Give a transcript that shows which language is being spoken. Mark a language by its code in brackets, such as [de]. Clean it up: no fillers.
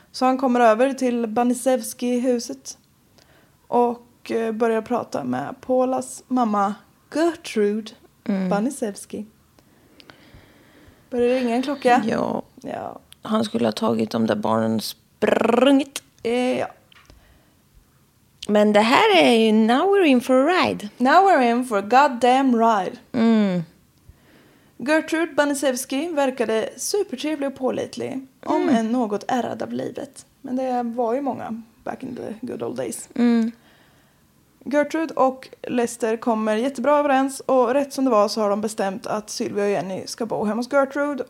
[sv] Så han kommer över till Banisewski-huset och börjar prata med Paulas mamma Gertrude Banisewski. Börjar det ringa en klocka? Ja. Han skulle ha tagit de där barnen och sprungit. Ja. Men det här är ju [en] now we're in for a ride. Now we're in for a goddamn ride. [sv] Mm. Gertrude Banisewski verkade supertrevlig och pålitlig. Mm. Om än något ärrad av livet. Men det var ju många [en] back in the good old days. [sv] Mm. Gertrude och Lester kommer jättebra överens. Och rätt som det var så har de bestämt att Sylvia och Jenny ska bo hemma hos Gertrude.